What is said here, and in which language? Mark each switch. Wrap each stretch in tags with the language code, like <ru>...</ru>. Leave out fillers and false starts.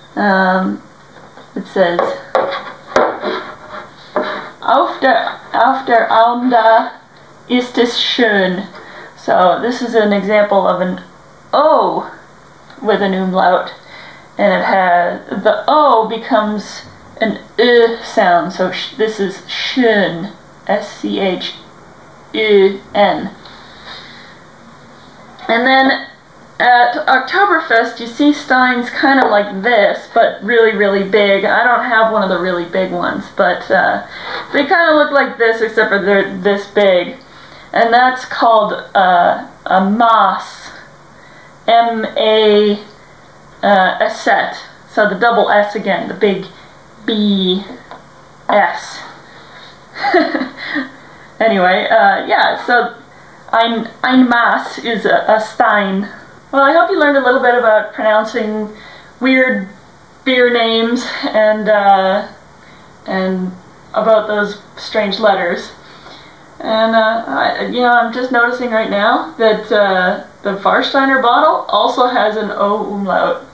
<en>It says</en> <de>Auf der Almda ist es schön.</de> <en>So this is an example of an O with an umlaut. And it has, the O becomes an U sound, so this is schön, S-C-H-U-N. And then at Oktoberfest, you see steins kind of like this, but really, really big. I don't have one of the really big ones, but they kind of look like this, except for they're this big. And that's called a Maß, M-A... Eset, so the double S again, the big B S. Anyway, yeah, so ein Maß is a Stein. Well, I hope you learned a little bit about pronouncing weird beer names and about those strange letters. And, I'm just noticing right now that the Warsteiner bottle also has an O umlaut.</en>